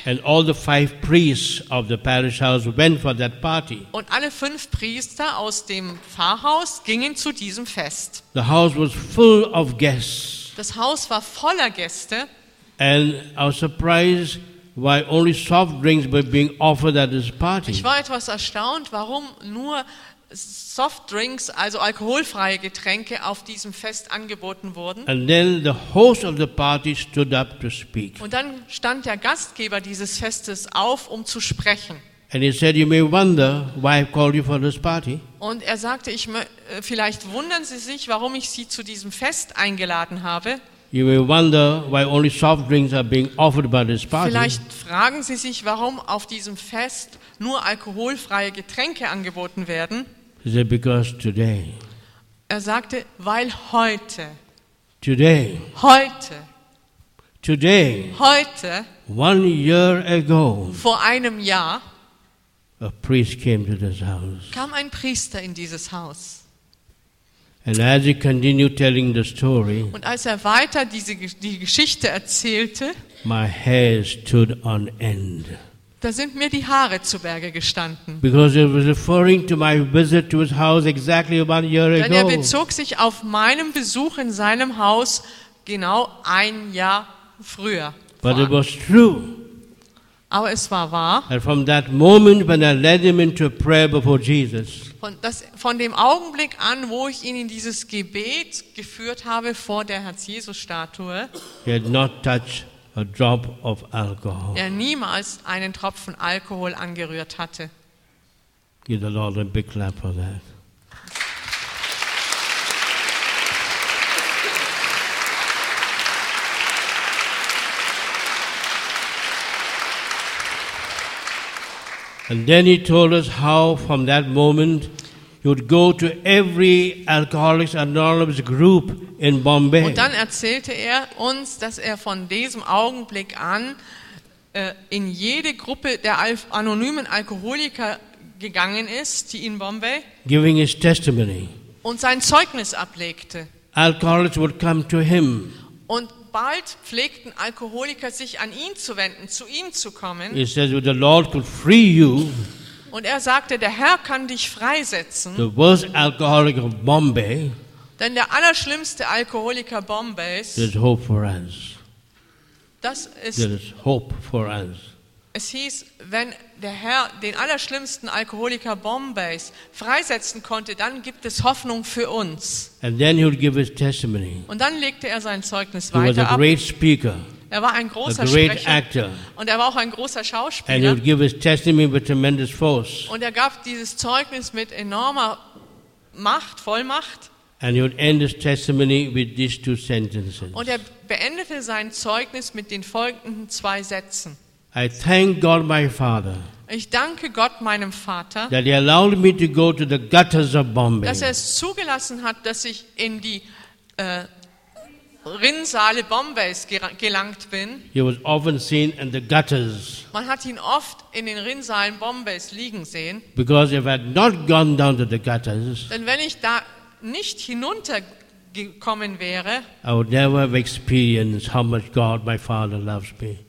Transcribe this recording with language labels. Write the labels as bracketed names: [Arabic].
[English] And all the five priests of the parish house went for that party. [German] Und alle fünf Priester aus dem Pfarrhaus gingen zu diesem Fest. [English] The house was full of guests. [German] Das Haus war voller Gäste. [English] And I was surprised why only soft drinks were being offered at this party. [German] Ich war etwas erstaunt, warum nur soft drinks, also alkoholfreie Getränke, auf diesem Fest angeboten wurden. [English] And then the host of the party stood up to speak. [German] Und dann stand der Gastgeber dieses Festes auf, um zu sprechen. [English] And he said, "You may wonder why I called you for this party." [German] Und er sagte, vielleicht wundern Sie sich, warum ich Sie zu diesem Fest eingeladen habe. [English] You may wonder why only soft drinks are being offered by this party. [German] Vielleicht fragen Sie sich, warum auf diesem Fest nur alkoholfreie Getränke angeboten werden. [English] He said, because today. [German] Er sagte, weil heute. [English] Today. [German] Heute. [English] Today. [German] Heute. [English] One year ago. [German] Vor einem Jahr. [English] A priest came to this house. [German] Kam ein Priester in dieses Haus. [English] And as he continued telling the story, [German] und als er weiter die Geschichte erzählte, [English] my hair stood on end. [German] Da sind mir die Haare zu Berge gestanden. [English] Because it was referring to my visit to his house exactly one year ago. [German] Denn er bezog sich auf meinen Besuch in seinem Haus genau ein Jahr früher. [English] But it was true. [German] Aber es war wahr. [English] And from that moment when I led him into a prayer before Jesus. [German] Von dem Augenblick an, wo ich ihn in dieses Gebet geführt habe vor der Herz-Jesus-Statue, [English] he had not touched a drop of alcohol. [German] Er niemals einen Tropfen Alkohol angerührt hatte. [English] Give the Lord a big clap for that. And then he told us how from that moment he would go to every Alcoholics Anonymous group in Bombay. [German] Und dann erzählte er uns, dass er von diesem Augenblick an in jede Gruppe der anonymen Alkoholiker gegangen ist, die in Bombay. [English] Giving his testimony. [German] Und sein Zeugnis ablegte. [English] Alcoholics would come to him. [German] Und bald pflegten Alkoholiker sich an ihn zu wenden, zu ihm zu kommen. [English] He says, the Lord could free you. [German] Und er sagte, der Herr kann dich freisetzen. [English] The worst alcoholic of Bombay. [German] Denn der allerschlimmste Alkoholiker Bombays. [English] There's hope for us. [German] Das ist. [English] There is hope for us. [German] Es hieß, wenn der Herr den allerschlimmsten Alkoholiker Bombays freisetzen konnte, dann gibt es Hoffnung für uns. [English] And then he would give his testimony. [German] Und dann legte er sein Zeugnis [English] he [German] weiter [English] was a [German] ab. [English] Great speaker. [German] Er war ein großer [English] a great [German] Sprecher [English] actor. [German] Und er war auch ein großer Schauspieler. [English] And he would give his testimony with tremendous force. [German] Und er gab dieses Zeugnis mit enormer Macht, Vollmacht. [English] And he would end his testimony with these two sentences. [German] Und er beendete sein Zeugnis mit den folgenden zwei Sätzen. [English] I thank God, my Father. [German] Ich danke Gott, meinem Vater, [English] that he allowed me to go to the gutters of Bombay. [German] Dass er es zugelassen hat, dass ich in die Rinnsale Bombays gelangt bin. [English] He was often seen in the gutters. [German] Man hat ihn oft in den Rinnsalen Bombays liegen sehen. [English] Because if I had not gone down to the gutters, [German] denn wenn ich da nicht hinuntergekommen wäre, [English] I would never have experienced how much God, my Father, loves me.